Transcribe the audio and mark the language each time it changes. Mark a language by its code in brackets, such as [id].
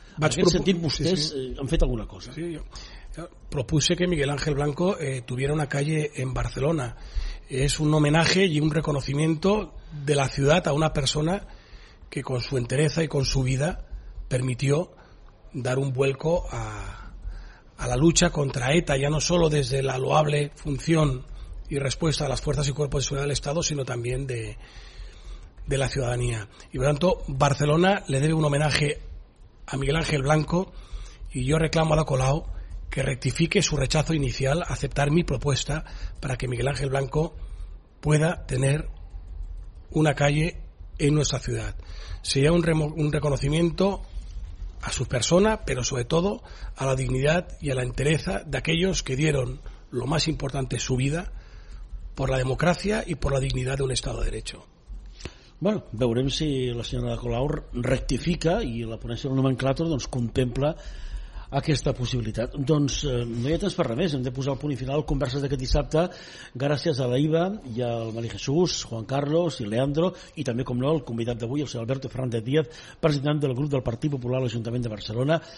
[ca] En aquest sentit, vostès han fet alguna cosa. [es] Sí, jo propuse que Miguel Ángel Blanco tuviera una calle en Barcelona. Es un homenaje y un reconocimiento de la ciudad a una persona que con su entereza y con su vida permitió dar un vuelco a la lucha contra ETA, ya no solo desde la loable función y respuesta a las fuerzas y cuerpos de seguridad del Estado, sino también de la ciudadanía. Y por lo tanto, Barcelona le debe un homenaje a Miguel Ángel Blanco, y yo reclamo a Ada Colau que rectifique su rechazo inicial a aceptar mi propuesta para que Miguel Ángel Blanco pueda tener una calle en nuestra ciudad. Sería un reconocimiento a su persona, pero sobre todo a la dignidad y a la entereza de aquellos que dieron lo más importante, su vida, por la democracia y por la dignidad de un Estado de Derecho. [ca] Bueno, veurem si la senyora de Colau rectifica i la ponència del nomenclàtor doncs contempla aquesta possibilitat. Doncs no hi ha temps per res més, hem de posar el punt i final converses d'aquest dissabte. Gràcies a la Iva i al Mari Jesús, Juan Carlos i Leandro, i també com no el convidat d'avui, el senyor Alberto Fernández Díaz, president del grup del Partit Popular a l'Ajuntament de Barcelona.